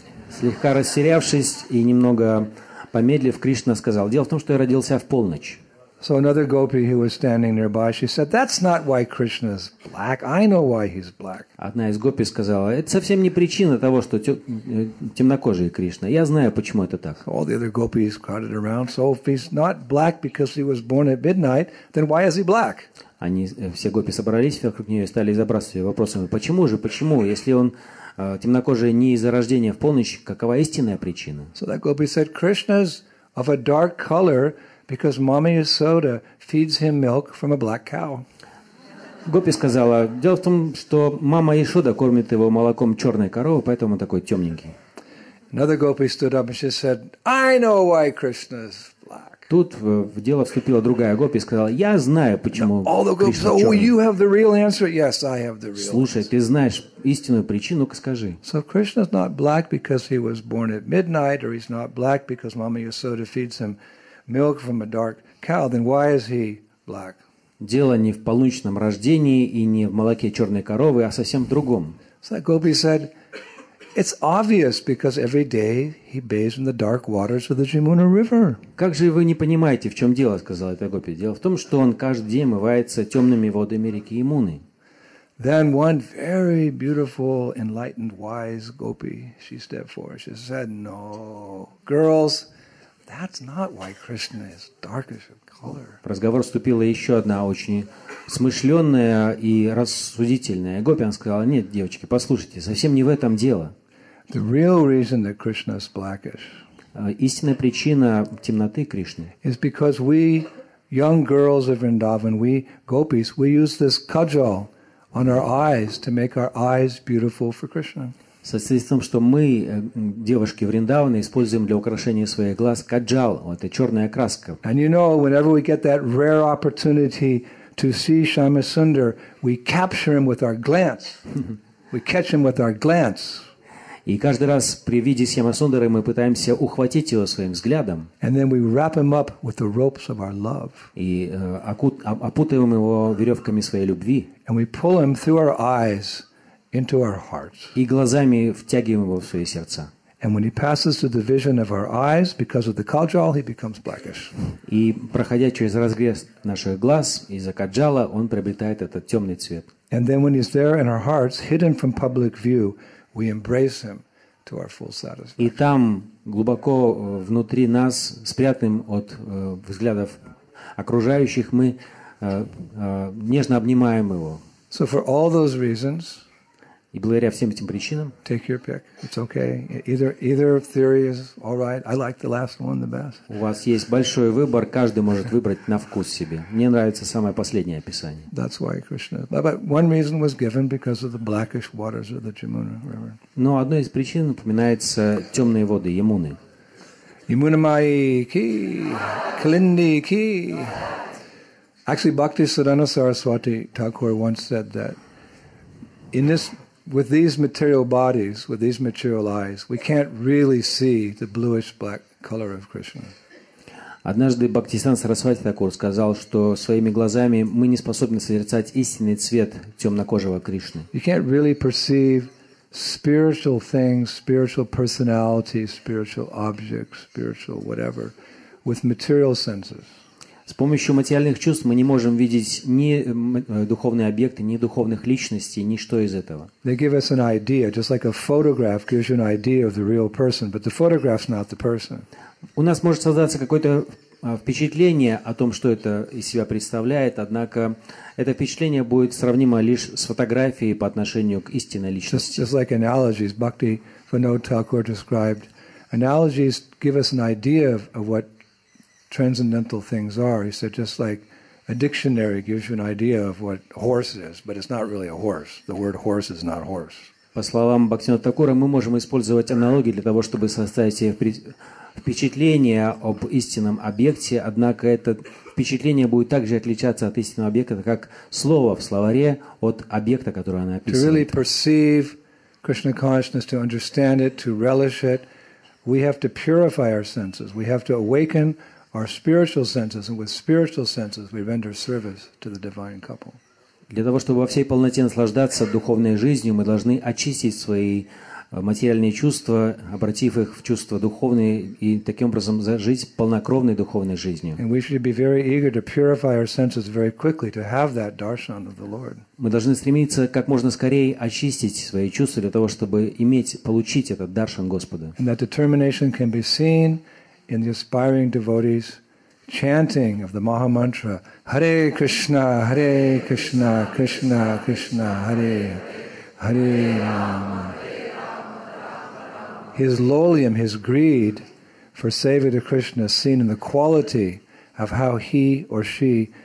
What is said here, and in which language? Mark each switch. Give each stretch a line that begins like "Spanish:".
Russian: Слегка растерявшись и немного помедлив, Кришна сказал, дело в том, что я родился в полночь.
English: So another gopi who was standing nearby, she said, that's not why Krishna is black. I know why he's black.
Russian: Одна из гопи сказала, это совсем не причина того, что темнокожий Кришна. Я знаю, почему это так.
English: All the other gopis crowded around. So if he's not black because he was born at midnight, then why is he black?
Russian: Они, все гопи собрались вокруг нее и стали забрасывать ее вопросами. Почему же, почему? Если он темнокожий не из-за рождения в полночь, какова истинная причина?
English: So that gopi said, Krishna's of a dark color, because Mama Yasoda feeds him milk from a black cow.
Russian: Гопи сказала, дело в том, что мама Яшода кормит его молоком черной коровы, поэтому он такой темненький.
English: Another gopi stood up and she said, I know why Krishna's black.
Russian: Тут в дело вступила другая гопи и сказала, я знаю, почему Кришна черный. Слушай, ты знаешь истинную причину, скажи.
English: So Krishna's not black because he was born at midnight, or he's not black because Mama Yasoda feeds him milk from a dark cow, then why is he black?
Russian: Дело не в полуночном рождении и не в молоке черной коровы, а совсем в другом.
English: So gopi said, it's obvious because every day he bathes in the dark waters of the Jamuna River.
Russian: Как же вы не понимаете, в чем дело, сказал эта гопи. Дело в том, что он каждый день омывается темными водами реки Ямуны.
English: Then one very beautiful, enlightened, wise gopi, she stepped forward. She said, "No, girls, that's not why Krishna is darkish in color."
Russian: В разговор вступила еще одна очень смышленная и рассудительная гопи. Она сказала, нет, девочки, послушайте, совсем не в этом дело.
English: The real reason that Krishna is blackish.
Russian: Истинная причина темноты Кришны.
English: Is because we young girls of Vrindavan, we gopis, we use this kajal on our eyes to make our eyes beautiful for Krishna.
Russian: Состоит в том, что мы, девушки Вриндавана, используем для украшения своих глаз каджал, вот эта черная краска.
English: And you know, whenever we get that rare opportunity to see Shyama Sundar, we capture him with our glance. We catch him with our glance.
Russian: И каждый раз при виде Шьяма Сундары мы пытаемся ухватить его своим взглядом.
English: And then we wrap him up with the ropes of our love.
Russian: И опутываем его веревками своей любви.
English: And we pull him through our eyes into our hearts.
Russian: И глазами втягиваем его в свои сердца.
English: And when he passes through the vision of our eyes because of the kajal, he becomes blackish.
Russian: И проходя через разрез наших глаз из-за каджала, он приобретает этот темный цвет.
English: And then when he's there in our hearts, hidden from public view, we embrace him to our full satisfaction.
Russian: И там глубоко внутри нас, спрятанным от взглядов окружающих, мы нежно обнимаем его.
English: So for all those reasons,
Russian: и благодаря всем этим причинам,
English: take your pick. It's okay. Either theory is all right. I like the last one the best.
Russian: У вас есть большой выбор. Каждый может выбрать на вкус себе. Мне нравится самое последнее описание.
English: That's why Krishna. But one reason was given because of the blackish waters of the Jamuna River.
Russian: Но одной из причин упоминается темные воды Ямуны.
Hindi: Ямунамай ки, Калинди ки.
English: Actually, Bhakti Sadhana Saraswati Thakur once said that in this with these material bodies, with these material eyes, we can't really see the bluish black color of Krishna.
Russian: Однажды Бхактисиддханта Сарасвати Такур сказал, что своими глазами мы не способны созерцать истинный цвет темнокожего Кришны.
English: You can't really perceive spiritual things, spiritual personalities, spiritual objects, spiritual whatever, with material senses.
Russian: С помощью материальных чувств мы не можем видеть ни духовные объекты, ни духовных личностей, ничто из этого.
English: They give us an idea, just like a photograph gives you an idea of the real person, but the photograph's not the person.
Russian: У нас может создаться какое-то впечатление о том, что это из себя представляет, однако это впечатление будет сравнимо лишь с фотографией по отношению к истинной личности.
English: Just like analogies, Bhakti Vinod Thakur described, analogies give us an idea of what transcendental things are. He said, just like a dictionary gives you an idea of what horse is, but it's not really a horse. The word horse is not horse.
Russian: По словам Бхактисиддханты Такура, мы можем использовать аналогии для того, чтобы составить себе впечатление об истинном объекте, однако это впечатление будет также отличаться от истинного объекта, как слово в словаре от объекта, который оно описывает.
English: To really perceive Krishna consciousness, to understand it, to relish it, we have to purify our senses. We have to awaken our spiritual senses, and with spiritual senses we render service to the divine couple.
Russian: Для того, чтобы во всей полноте наслаждаться духовной жизнью, мы должны очистить свои материальные чувства, обратив их в чувства духовные, и таким образом жить полнокровной духовной жизнью.
English: And we should be very eager to purify our senses very quickly to have that darshan of the Lord.
Russian: Мы должны стремиться как можно скорее очистить свои чувства для того, чтобы иметь, получить этот даршан Господа.
English: And that determination can be seen in the aspiring devotees chanting of the Maha Mantra,
Sanskrit: Hare Krishna, Hare Krishna, Krishna Krishna, Hare, Hare Rama.
English: His loliam, his greed for saving to Krishna is seen in the quality of how he or she